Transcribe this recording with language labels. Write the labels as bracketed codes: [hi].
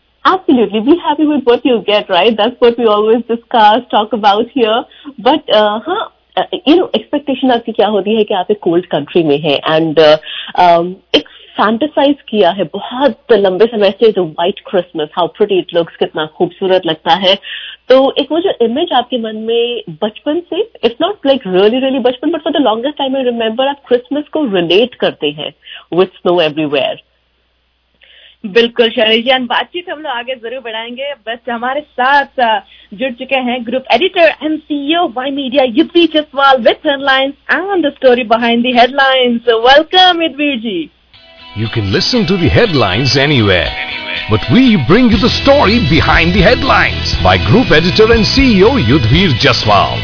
[en] Absolutely, be happy with what you get, right? That's what we always discuss, talk about here. But [hi] हाँ, [en] you know, [hi] expectation आपकी क्या होती है कि आप एक [en] cold country [hi] में हैं [en] and [hi] एक फैंटेसाइज किया है बहुत लंबे समय से जो white Christmas, [en] how pretty it looks, [hi] कितना खूबसूरत लगता है. तो एक वो जो इमेज आपके मन में बचपन से, [en] it's not like really really बचपन, but for the longest time I remember, [hi] आप क्रिसमस को रिलेट करते हैं [en] With snow everywhere. [hi] बिल्कुल शैली जी, एंड बातचीत हम लोग आगे जरूर बढ़ाएंगे. बस हमारे साथ जुड़ चुके हैं group editor and CEO Y media UP Jaswal [en] With headlines and the story behind the headlines. Welcome Yudhvir ji. You can listen to the headlines anywhere. But we bring you the story behind the headlines by Group Editor and CEO Yudhvir Jaswal.